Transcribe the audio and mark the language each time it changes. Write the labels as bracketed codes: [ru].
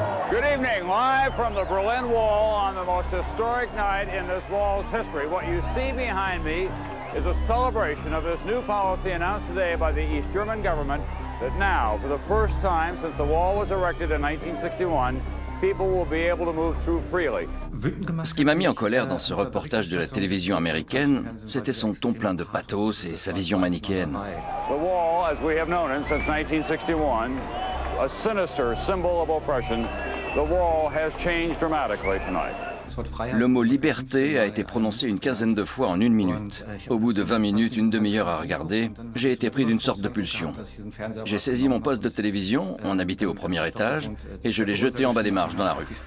[en] Good evening, live from the Berlin Wall on the most historic night in this wall's history. What you see behind me is a celebration of this new policy announced today by the East German government that now, for the first time since the wall was erected in 1961, people will be able to move through freely. [fr] Ce qui m'a mis en colère dans ce reportage de la télévision américaine, c'était son ton plein de pathos et sa vision manichéenne. [en] The wall, as we have known it since 1961, a sinister symbol of oppression, the wall has changed dramatically tonight. [fr] Le mot « liberté » a été prononcé une quinzaine de fois en une minute. Au bout de 20 minutes, une demi-heure à regarder, j'ai été pris d'une sorte de pulsion. J'ai saisi mon poste de télévision, on habitait au premier étage, et je l'ai jeté en bas des marches dans la rue.